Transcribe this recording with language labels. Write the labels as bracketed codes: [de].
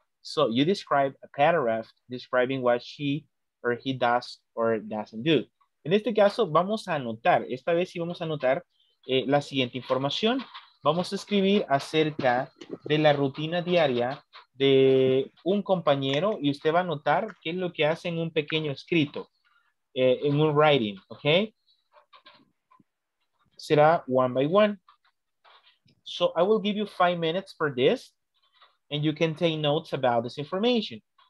[en] So you describe a paragraph describing what she or he does or doesn't do. [es] En este caso, vamos a anotar, esta vez sí vamos a anotar la siguiente información. Vamos a escribir acerca de la rutina diaria de un compañero y usted va a anotar qué es lo que hace en un pequeño escrito, en un writing, ¿ok? Será [en] one by one. So I will give you 5 minutes for this and you can take notes about this information.